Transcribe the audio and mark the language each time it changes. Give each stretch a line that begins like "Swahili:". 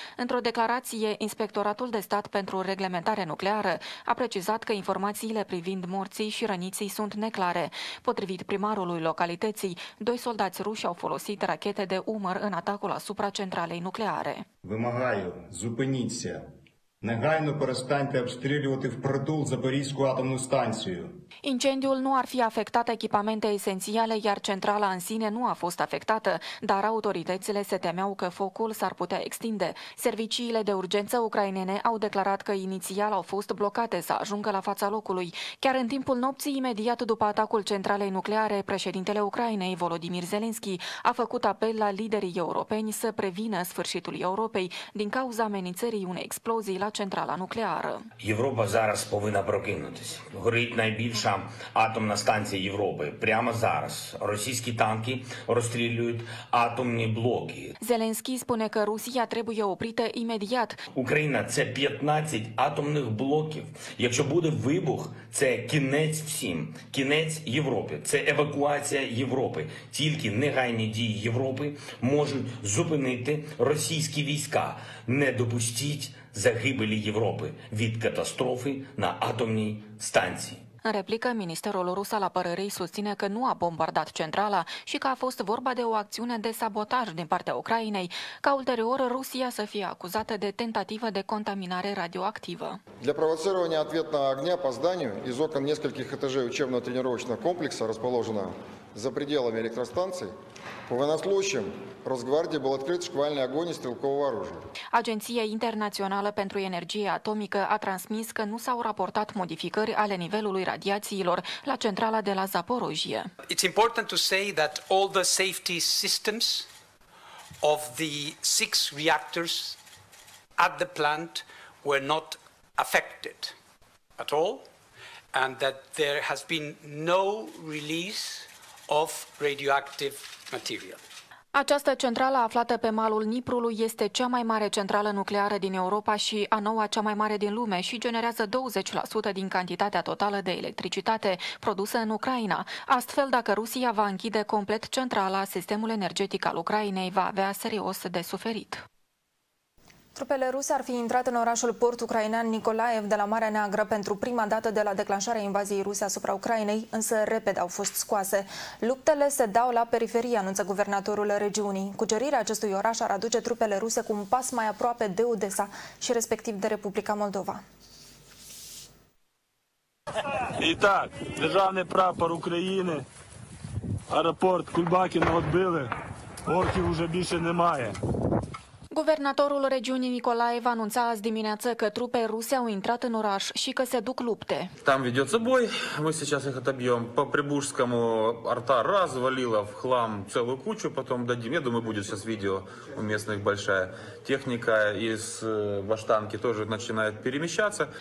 Romanian: Într-o declarație, Inspectoratul de Stat pentru Reglementare Nucleară a precizat că informațiile privind morții și răniții sunt neclare. Potrivit primarului localității, doi soldați ruși au folosit rachete de umăr în atacul asupra centralei nucleare.
Ukrainian: Вимагаю, зупиніться. Негайно перестаньте обстрілювати впритул Запорізьку атомну станцію.
Romanian: Incendiul nu ar fi afectat echipamente esențiale, iar centrala în sine nu a fost afectată, dar autoritățile se temeau că focul s-ar putea extinde. Serviciile de urgență ucrainene au declarat că inițial au fost blocate să ajungă la fața locului. Chiar în timpul nopții, imediat după atacul centralei nucleare, președintele Ucrainei, Volodymyr Zelensky, a făcut apel la liderii europeni să prevină sfârșitul Europei din cauza amenințării unei explozii la centrala nucleară.
Ukrainian: Europa зараз повинна прокинутися. Горить найбільша атомна станція Європи. Прямо зараз російські танки розстрілюють атомні блоки.
Romanian: Зеленський spune că Rusia trebuie oprită imediat.
Ukrainian: Україна це 15 атомних блоків. Якщо буде вибух, це кінець всім, кінець Європі. Це евакуація Європи. Тільки негайні дії Європи можуть зупинити російські війська. Не допустіть загибелі Європи від катастрофи на атомній станції.
Romanian: În replică, Ministerul Rus al Apărării susține că nu a bombardat centrala și că a fost vorba de o acțiune de sabotaj din partea Ucrainei, ca ulterior Rusia să fie acuzată de tentativă de contaminare radioactivă.
Russian: Для провоцирования ответного огня по зданию из окон нескольких этажей учебно-тренировочного комплекса, расположенного за пределами электростанции, по военнослужащим Росгвардии был открыт шквальный огонь из стрелкового оружия.
Romanian: Agenția Internațională pentru Energie Atomică a transmis că nu s-au raportat modificări ale nivelului radiațiilor la centrala de la Zaporojie.
English: It's important to say that all the safety systems of the 6 reactors at the plant were not affected at all and that there has been no release of radioactive material.
Romanian: Această centrală aflată pe malul Niprului este cea mai mare centrală nucleară din Europa și a noua cea mai mare din lume și generează 20% din cantitatea totală de electricitate produsă în Ucraina. Astfel, dacă Rusia va închide complet centrala, sistemul energetic al Ucrainei va avea serios de suferit. Trupele ruse ar fi intrat în orașul port ucrainean Nicolaev de la Marea Neagră pentru prima dată de la declanșarea invaziei ruse asupra Ucrainei, însă repede au fost scoase. Luptele se dau la periferie, anunță guvernatorul regiunii. Cucerirea acestui oraș ar aduce trupele ruse cu un pas mai aproape de Odessa și respectiv de Republica Moldova.
Ukrainian: Итак, державний прапор України, аеропорт Кульбакіна відбили, орків вже більше немає.
Romanian: Guvernatorul regiunii Nicolaev anunța azi dimineață că trupe ruse au intrat în oraș și că se duc lupte.
Russian: Там ведется бой. Мы сейчас их отобьем. По Прибужскому арта развалила в хлам целую кучу, потом дадим. Я думаю, будет сейчас видео у местных большая техника из баштанки тоже начинает перемещаться.